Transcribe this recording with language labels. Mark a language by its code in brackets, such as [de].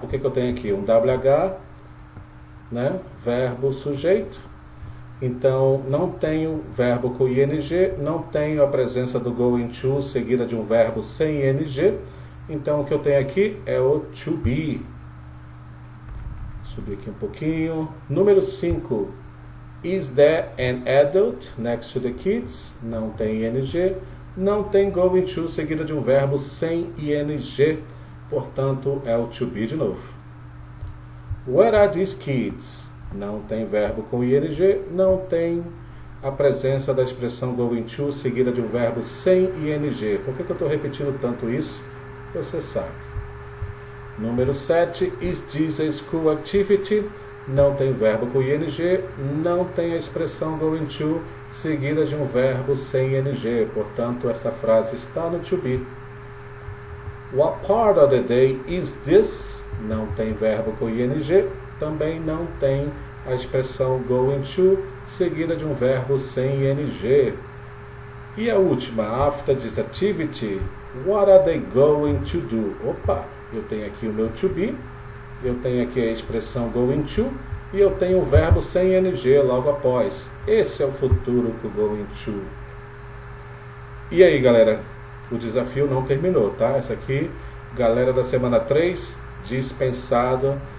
[pt] O que que eu tenho aqui? Um WH, né? Verbo sujeito. Então não tenho verbo com ing, não tenho a presença do going to seguida de um verbo sem ing. Então o que eu tenho aqui é o to be. Subir aqui um pouquinho. Número 5. [en] Is there an adult next to the kids? [pt] Não tem ing. Não tem going to seguida de um verbo sem ing. Portanto, é o to be de novo. [en] Where are these kids? [pt] Não tem verbo com ing. Não tem a presença da expressão going to seguida de um verbo sem ing. Por que que eu estou repetindo tanto isso? Você sabe. Número 7, [en] is this a school activity? [pt] Não tem verbo com ing, não tem a expressão going to seguida de um verbo sem ing. Portanto, essa frase está no to be. [en] What part of the day is this? [pt] Não tem verbo com ing, também não tem a expressão going to seguida de um verbo sem ing. E a última, [en] after this activity, what are they going to do? [pt] Opa! Eu tenho aqui o meu to be, eu tenho aqui a expressão going to e eu tenho o verbo sem ing logo após. Esse é o futuro com going to. E aí, galera? O desafio não terminou, tá? Essa aqui, galera da semana 3, dispensado.